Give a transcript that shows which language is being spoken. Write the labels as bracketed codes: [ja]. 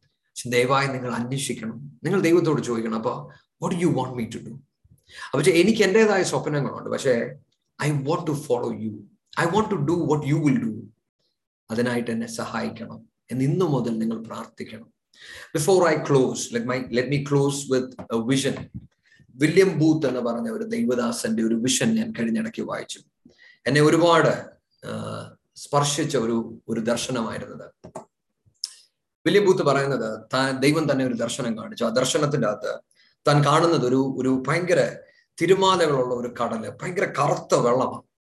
[ml] പക്ഷെ ദയവായി നിങ്ങൾ അന്വേഷിക്കണം, നിങ്ങൾ ദൈവത്തോട് ചോദിക്കണം, അപ്പൊ what you want me to do. അപ്പൊ എനിക്ക് എൻ്റെതായ സ്വപ്നങ്ങളുണ്ട്, പക്ഷേ I want to follow you, I want to do what you will do. അതിനായിട്ട് എന്നെ സഹായിക്കണം എന്ന് ഇന്ന് മുതൽ നിങ്ങൾ പ്രാർത്ഥിക്കണം. [en] Before I close, let me close with a vision. [ml] William Booth എന്ന് പറഞ്ഞ ഒരു ദൈവദാസന്റെ ഒരു വിഷൻ ഞാൻ കഴിഞ്ഞിടയ്ക്ക് വായിച്ചു. എന്നെ ഒരുപാട് സ്പർശിച്ച ഒരു ഒരു ദർശനമായിരുന്നത്. വില്യം ബൂത്ത് പറയുന്നത്, ദൈവം തന്നെ ഒരു ദർശനം കാണിച്ചു. ആ ദർശനത്തിൻ്റെ അകത്ത് താൻ കാണുന്നത് ഒരു ഒരു ഭയങ്കര തിരുമാലകളുള്ള ഒരു കടല്, ഭയങ്കര കറുത്ത വെള്ളമാണ്.